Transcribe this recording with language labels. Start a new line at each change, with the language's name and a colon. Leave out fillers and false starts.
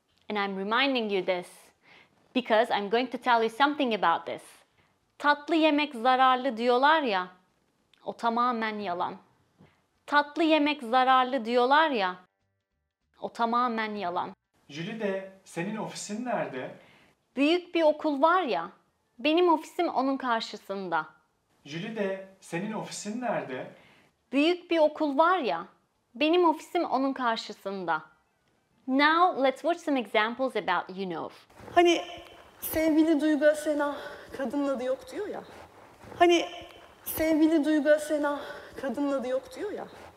English: And I'm reminding you this, because I'm going to tell you something about this.
Turkish: Tatlı yemek zararlı diyorlar ya, o tamamen yalan. Tatlı yemek zararlı diyorlar ya, o tamamen yalan. Julie de senin ofisin nerede? Büyük bir okul var ya, benim ofisim onun karşısında. Julie de senin ofisin nerede? Büyük bir okul var ya, benim ofisim onun karşısında.
English: Now let's watch some examples about you know.
Turkish: Hani sevgili Duygu Asena kadının adı yok diyor ya. Hani sevgili Duygu Asena kadının adı yok diyor ya.